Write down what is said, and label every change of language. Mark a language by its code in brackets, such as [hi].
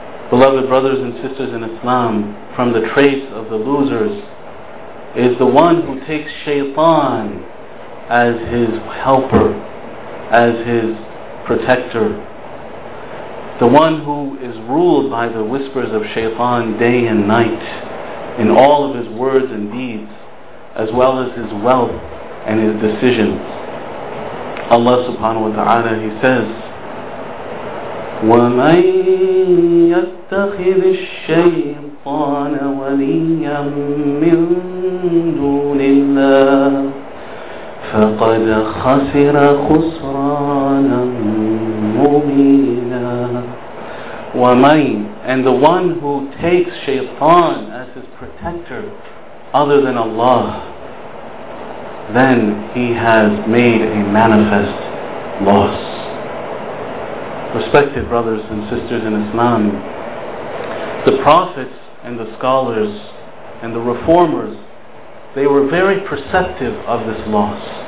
[en] Beloved brothers and sisters in Islam, from the traits of the losers is the one who takes shaitan as his helper, as his protector. The one who is ruled by the whispers of shaitan day and night in all of his words and deeds, as well as his wealth and his decisions. Allah subhanahu wa ta'ala, He says, [ar] وَمَن يَتَّخِذِ الشَّيْطَانَ وَلِيًّا مِّن دُونِ اللَّهِ فَقَدْ خَسِرَ خُسْرَانًا مُّبِينًا. [en] وَمَن, and the one who takes shaitan as his protector other than Allah, then he has made a manifest loss. Respected brothers and sisters in Islam, the prophets and the scholars and the reformers, they were very perceptive of this loss.